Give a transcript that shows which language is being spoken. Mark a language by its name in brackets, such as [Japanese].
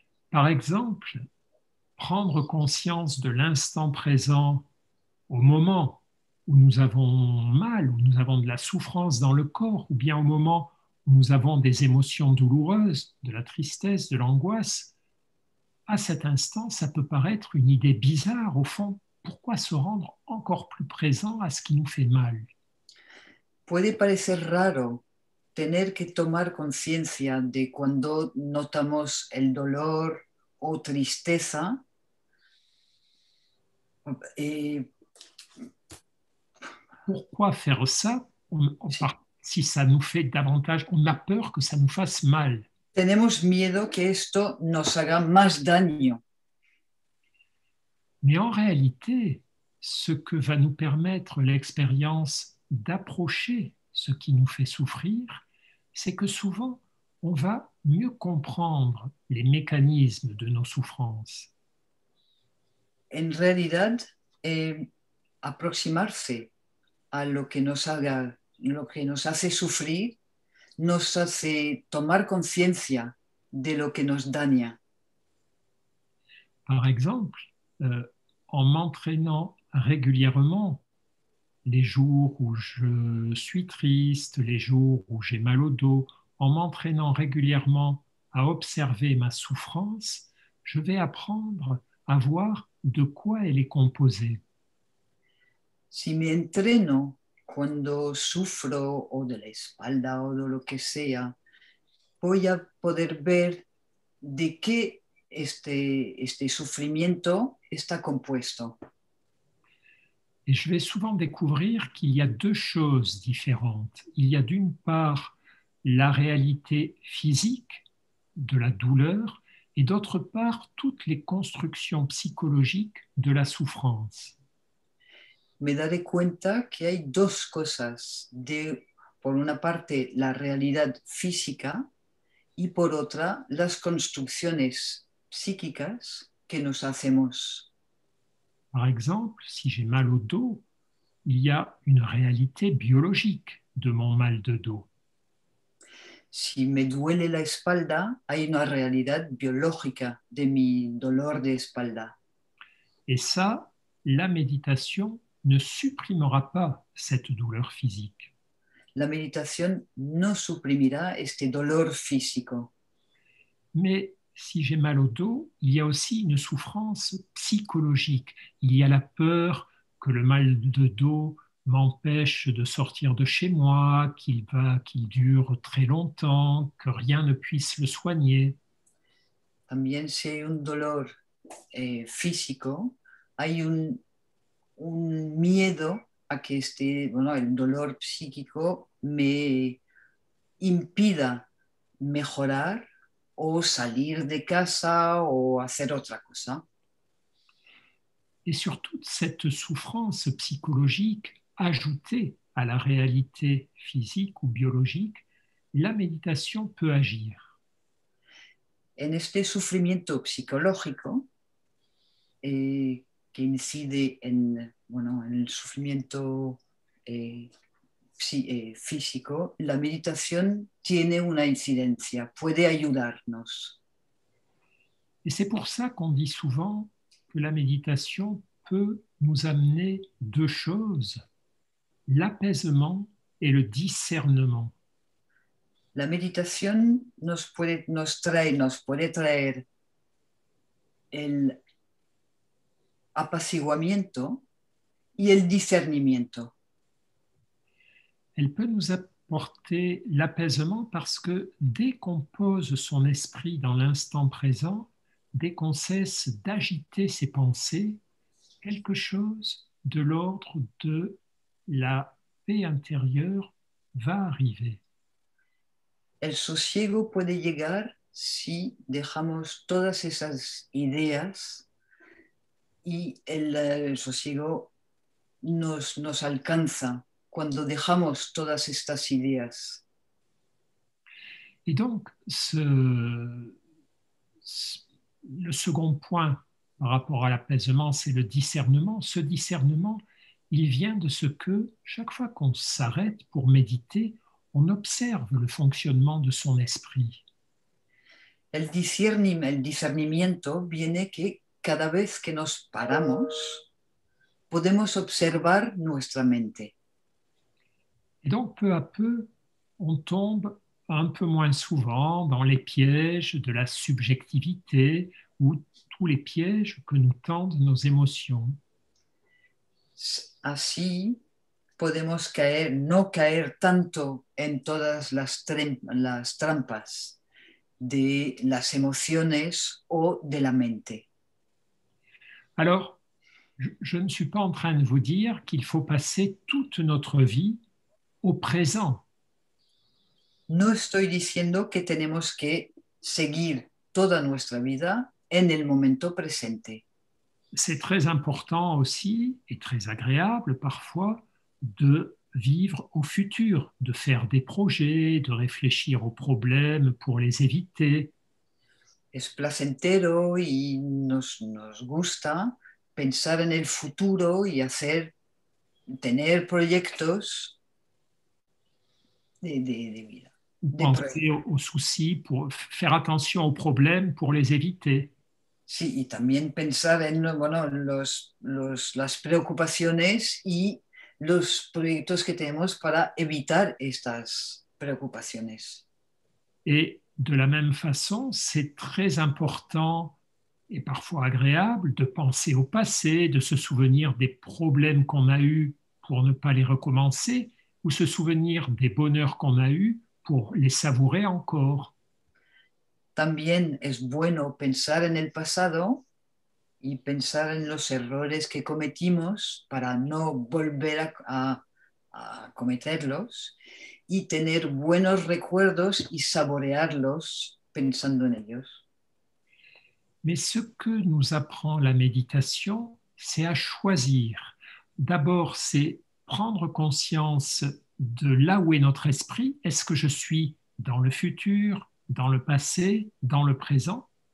[French] Par exemple, prendre conscience de l'instant présent au moment où nous avons mal, où nous avons de la souffrance dans le corps, ou bien au moment où nous avons des émotions douloureuses, de la tristesse, de l'angoisse, à cet instant, ça peut paraître une idée bizarre. Au fond, pourquoi se rendre encore plus présent à ce qui nous fait mal? [Spanish] Puede parecer raro tener que tomar conciencia de cuando notamos el dolor o tristeza. [French] Et... Pourquoi faire ça si ça nous fait davantage, on a peur que ça nous fasse mal. [Spanish] Tenemos miedo que esto nos haga más daño. [French] Mais en réalité, ce que va nous permettre l'expérience d'approcher ce qui nous fait souffrir, c'est que souvent, on va mieux comprendre les mécanismes de nos souffrances. [Spanish] En realidad, aproximarse a lo que nos hace sufrir, nos hace tomar conciencia de lo que nos daña. [French] Par exemple, en m'entraînant régulièrement, les jours où je suis triste, les jours où j'ai mal au dos, en m'entraînant régulièrement à observer ma souffrance, je vais apprendre à voir de quoi elle est composée. [Spanish] Si me entreno cuando sufro o de la espalda o de lo que sea, voy a poder ver de qué este sufrimiento está compuesto. [French] Et je vais souvent découvrir qu'il y a deux choses différentes. Il y a d'une part la réalité physique de la douleur et d'autre part toutes les constructions psychologiques de la souffrance. [Spanish] Me daré cuenta que hay dos cosas, de por una parte la realidad física y por otra las construcciones psíquicas que nos hacemos. [French] Par exemple, si j'ai mal au dos, il y a une réalité biologique de mon mal de dos. [Spanish] Si me duele la espalda, hay una realidad biológica de mi dolor de espalda. [French] Et ça, la méditation ne supprimera pas cette douleur physique. [Spanish] La méditation no suprimirá este dolor físico. [French] Mais si j'ai mal au dos, il y a aussi une souffrance psychologique. Il y a la peur que le mal de dos m'empêche de sortir de chez moi, qu'il dure très longtemps, que rien ne puisse le soigner. [Spanish] También si hay un dolor físico, hay un miedo a que este, bueno, el dolor psíquico me impida mejorar. O salir de casa o hacer otra cosa. [French] Et surtout cette souffrance psychologique ajoutée à la réalité physique ou biologique, la méditation peut agir. [Spanish] En este sufrimiento psicológico que incide en, bueno, en el sufrimiento físico, la meditación tiene una incidencia, puede ayudarnos. [French] Et c'est pour ça qu'on dit souvent que la méditation peut nous amener deux choses, l'apaisement et le discernement. [Spanish] La meditación nos puede traer el apaciguamiento y el discernimiento. [French] Elle peut nous apporter l'apaisement parce que dès qu'on pose son esprit dans l'instant présent, dès qu'on cesse d'agiter ses pensées, quelque chose de l'ordre de la paix intérieure va arriver. [Spanish] El sosiego puede llegar si dejamos todas esas ideas y el sosiego nos alcanza. cuando dejamos todas estas ideas. [French] Et donc, le second point par rapport à l'apaisement, c'est le discernement. Ce discernement, il vient de ce que, chaque fois qu'on s'arrête pour méditer, on observe le fonctionnement de son esprit. [Spanish] El discernimiento viene que cada vez que nos paramos, podemos observar nuestra mente. [French] Et donc, peu à peu, on tombe un peu moins souvent dans les pièges de la subjectivité ou tous les pièges que nous tendent nos émotions. [Spanish] Así podemos caer, no caer tanto en todas las trampas de las emociones o de la mente. [French] Alors, je ne suis pas en train de vous dire qu'il faut passer toute notre vie au présent. [Spanish] No estoy diciendo que tenemos que seguir toda nuestra vida en el momento presente. [French] C'est très important aussi et très agréable parfois de vivre au futur, de faire des projets, de réfléchir aux problèmes pour les éviter. [Spanish] Es placentero y nos gusta pensar en el futuro y hacer tener proyectos de vida. [French] Penser aux soucis, pour faire attention aux problèmes, pour les éviter. [Spanish] Sí, y también pensar en bueno, las preocupaciones y los proyectos que tenemos para evitar estas preocupaciones. [French] Et de la même façon, c'est très important et parfois agréable de penser au passé, de se souvenir des problèmes qu'on a eus pour ne pas les recommencer, ou se souvenir des bonheurs qu'on a eus pour les savourer encore. [Spanish] También es bueno pensar en el pasado y pensar en los errores que cometimos para no volver a cometerlos y tener buenos recuerdos y saborearlos pensando en ellos. [French] Mais ce que nous apprend la méditation, c'est à choisir. D'abord, c'est prendre conscience de là où est notre esprit. Est-ce que je suis dans le futur, dans le passé, dans le présent?